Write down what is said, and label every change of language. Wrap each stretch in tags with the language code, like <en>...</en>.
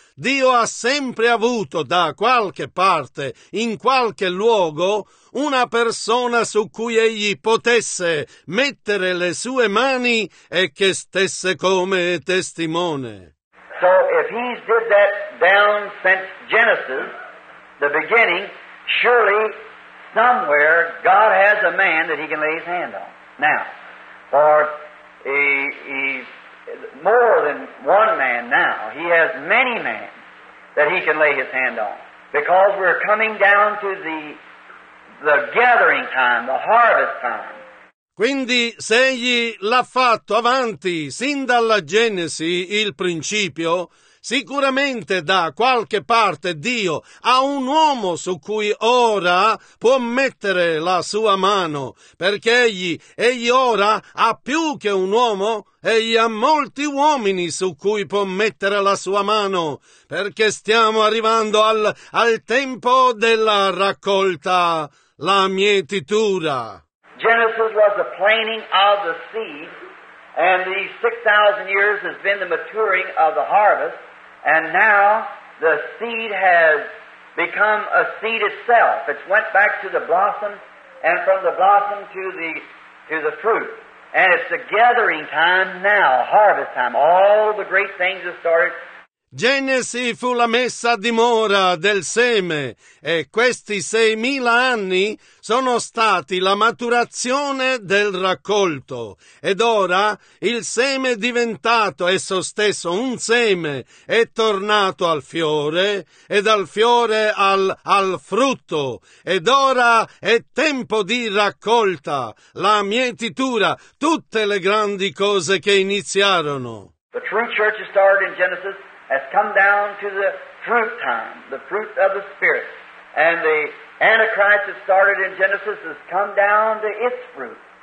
<it>Dio ha sempre avuto da qualche parte, in qualche luogo, una persona su cui egli potesse mettere le sue mani e che stesse come testimone.</it> <en>So if he did that down since Genesis, the beginning, surely somewhere God has a man that he can lay his hand on. Now, for he's more than one man now. He has many men that he can lay his hand on. Because we're coming down to the gathering time, the harvest time.</en> <it>Quindi, se egli l'ha fatto avanti sin dalla Genesi, il principio, sicuramente da qualche parte Dio ha un uomo su cui ora può mettere la sua mano, perché egli ora ha più che un uomo, egli ha molti uomini su cui può mettere la sua mano, perché stiamo arrivando al tempo della raccolta, la mietitura.</it> <en>Genesis was the planting of the seed, and these 6,000 years has been the maturing of the harvest, and now the seed has become a seed itself. It's went back to the blossom, and from the blossom to the fruit. And it's the gathering time now, harvest time. All the great things have started.</en> <it>Genesi fu la messa a dimora del seme, e questi 6,000 anni sono stati la maturazione del raccolto. Ed ora il seme è diventato esso stesso un seme, è tornato al fiore, e dal fiore al frutto. Ed ora è tempo di raccolta, la mietitura, tutte le grandi cose che iniziarono.</it> <en>The true church started in Genesis. Has come down to the fruit time, the fruit of the Spirit. And the Antichrist that started in Genesis has come down to its fruit.</en>